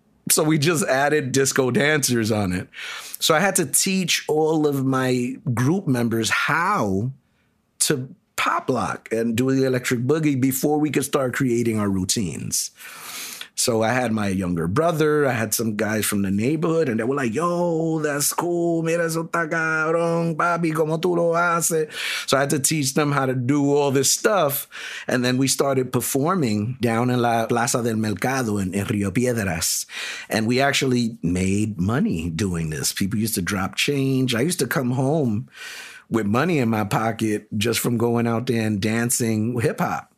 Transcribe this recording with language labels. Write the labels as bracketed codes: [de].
[en] So we just added disco dancers on it. So I had to teach all of my group members how to pop lock and do the electric boogie before we could start creating our routines. So I had my younger brother, I had some guys from the neighborhood, and they were like, yo, that's cool. [es] Mira eso está cabrón, papi, como tú lo haces. [en] So I had to teach them how to do all this stuff. And then we started performing down in La Plaza del Mercado in Rio Piedras. And we actually made money doing this. People used to drop change. I used to come home with money in my pocket just from going out there and dancing hip hop.